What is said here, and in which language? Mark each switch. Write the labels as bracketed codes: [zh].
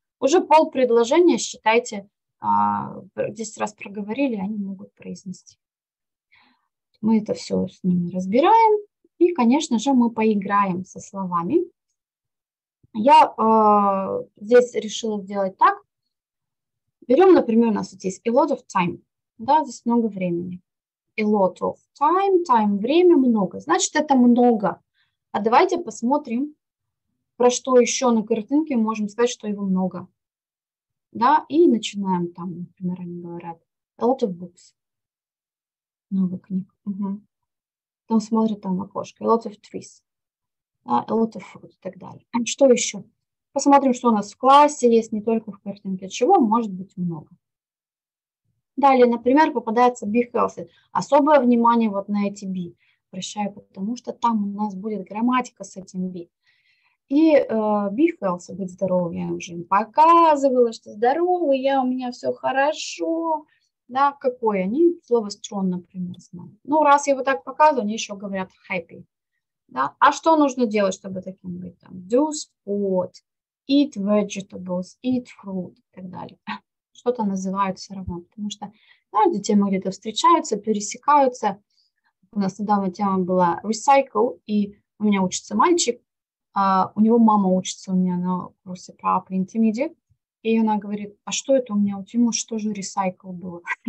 [ru] Уже пол предложения, считайте, 10 раз проговорили, они могут произнести. Мы это все с ними разбираем. И, конечно же, мы поиграем со словами. Я здесь решила сделать так. Берем, например, у нас вот здесь [en] a lot of time. [ru] Да, здесь много времени. [en] A lot of time, time, [ru] время, много. Значит, это много. А давайте посмотрим, про что еще на картинке можем сказать, что его много. Да, и начинаем там, например, они говорят, [en] a lot of books. [ru] Много книг. Угу. Там смотрят там в окошко. [en] A lot of trees. [ru] Да, [en] a lot of food [ru] и так далее. А что еще? Посмотрим, что у нас в классе есть, не только в картинке. Чего может быть много. Далее, например, попадается be healthy. Особое внимание вот на эти be. Обращаю, потому что там у нас будет грамматика с этим be. И be healthy, быть здоровым. Я уже им показывала, что здоровый, я, у меня все хорошо. Да, какое? Они слово strong, например, знают. Ну, раз я его так показываю, они еще говорят happy. Да? А что нужно делать, чтобы таким быть? Там? [en] Do sport, eat vegetables, eat fruit [ru] и так далее. Что-то называют все равно, потому что, да, детей мы где-то встречаются, пересекаются. У нас недавно тема была recycle, и у меня учится мальчик, у него мама учится у меня на курсе про upper intermediate, и она говорит, а что это у меня у Тима, что же recycle было?